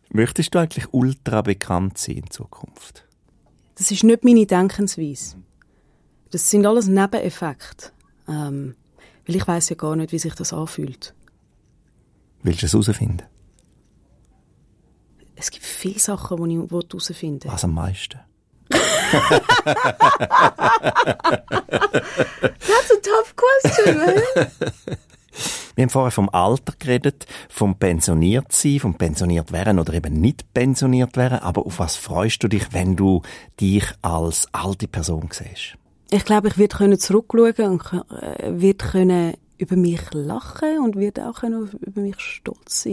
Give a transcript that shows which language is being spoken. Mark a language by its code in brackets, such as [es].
[de] Möchtest du eigentlich ultra bekannt sein in Zukunft? Das ist nicht meine Denkensweise. Das sind alles Nebeneffekte. Weil ich weiss ja gar nicht, wie sich das anfühlt. Willst du es herausfinden? Es gibt viele Sachen, die ich herausfinden will. Was am meisten? [en] That's a tough question, man. [de] Wir haben vorher vom Alter geredet, vom pensioniert sein, vom pensioniert werden oder eben nicht pensioniert werden. Aber auf was freust du dich, wenn du dich als alte Person siehst? Ich glaube, ich werde zurückschauen und werde über mich lachen und werde auch über mich stolz sein.